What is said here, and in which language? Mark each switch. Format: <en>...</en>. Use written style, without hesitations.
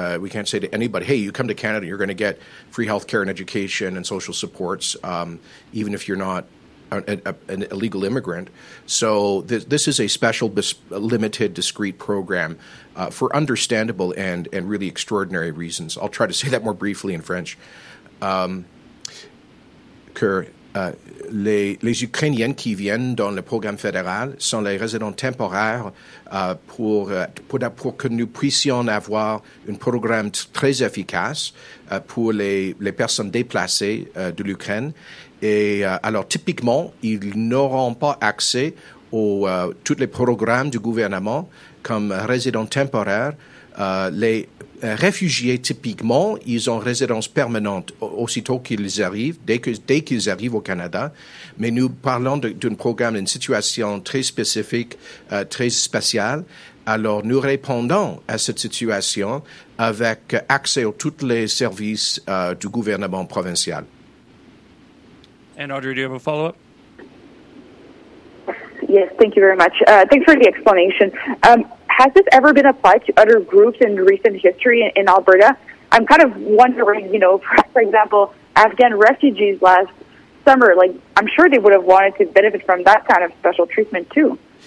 <en>We can't say to anybody, hey, you come to Canada, you're going to get free health care and education and social supports, even if you're not an illegal immigrant. So this is a special, limited, discrete program for understandable and really extraordinary reasons. I'll try to say that more briefly in French.</en> <fr>Que les Ukrainiens qui viennent dans le programme fédéral sont les résidents temporaires pour que nous puissions avoir un programme très efficace pour les personnes déplacées de l'Ukraine. Et alors, typiquement, ils n'auront pas accès aux tous les programmes du gouvernement comme résidents temporaires. Les réfugiés, typiquement, ils ont résidence permanente aussitôt qu'ils arrivent, dès qu'ils arrivent au Canada. Mais nous parlons d'un programme, d'une situation très spécifique, très spéciale. Alors, nous répondons à cette situation avec accès à tous les services du gouvernement provincial.</fr> <en>And Audrey, do you have a follow-up? Yes, thank you very much. Thanks for the explanation. Has this ever been applied to other groups in recent history in Alberta? I'm kind of wondering, you know, for example, Afghan refugees last summer, like, I'm sure they would have wanted to benefit from that kind of special treatment, too.</en>